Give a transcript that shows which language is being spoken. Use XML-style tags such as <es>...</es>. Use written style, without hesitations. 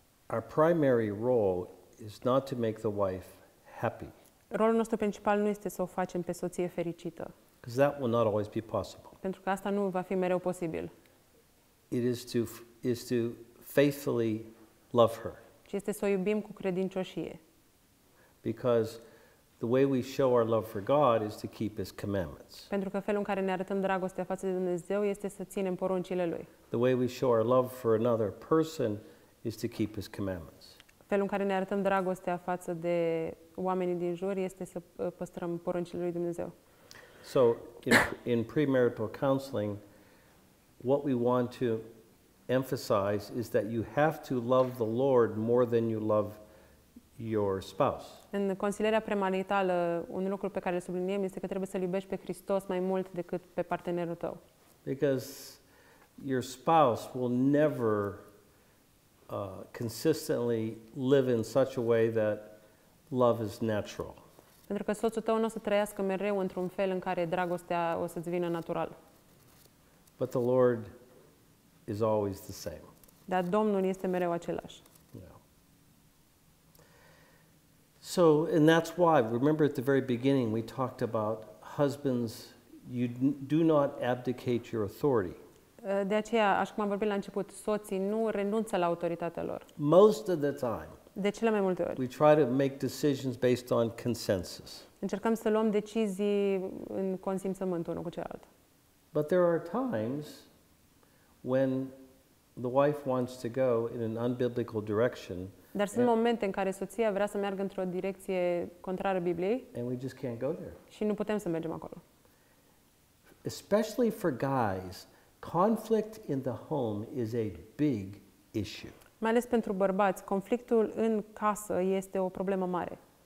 <en>Our primary role is not to make the wife happy.</en> <ro>Rolul nostru principal nu este să o facem pe soție fericită.</ro> <en>Because that will not always be possible.</en> <ro>Pentru că asta nu va fi mereu posibil.</ro> <en>It is to faithfully love her.</en> <ro>Ci este să o iubim cu credincioșie.</ro> <en>Because the way we show our love for God is to keep his commandments.</en> <ro>Pentru că felul în care ne arătăm dragostea față de Dumnezeu este să ținem poruncile lui.</ro> <en>The way we show our love for another person is to keep his commandments.</en> <ro>Felul în care ne arătăm dragostea față de oamenii din jur este să păstrăm poruncile lui Dumnezeu.</ro> <en>So, in premarital counseling, what we want to emphasize is that you have to love the Lord more than you love your spouse.</en> <ro>În consilierea premaritală, un lucru pe care îl subliniem este că trebuie să-L iubești pe Hristos mai mult decât pe partenerul tău.</ro> <en>Because your spouse will never consistently live in such a way that love is natural.</en> <ro>Pentru că soțul tău nu o să trăiască mereu într-un fel în care dragostea o să devină natural.</ro> <en>But the Lord is always the same.</en> <ro>Dar Domnul este mereu același. Yeah.</ro> <en>So, and that's why, remember at the very beginning, we talked about husbands, you do not abdicate your authority.</en> <ro>De aceea, așa cum am vorbit la început, soții nu renunță la autoritatea lor.</ro> <en>Most of the time,</en> <ro>de cele mai multe ori,</ro> <en>we try to make decisions based on consensus.</en> <ro>Încercăm să luăm decizii în consimțământ unul cu celălalt.</ro> <en>But there are times when the wife wants to go in an unbiblical direction.</en> <ro>Dar sunt momente în care soția vrea să meargă într-o direcție contrară Bibliei.</ro> <en>And we just can't go there.</en> <ro>Și nu putem să mergem acolo.</ro> <en>Especially for guys, conflict in the home is a big issue.</en> <ro>Mai ales pentru bărbați, conflictul în casă este o problemă mare.</ro>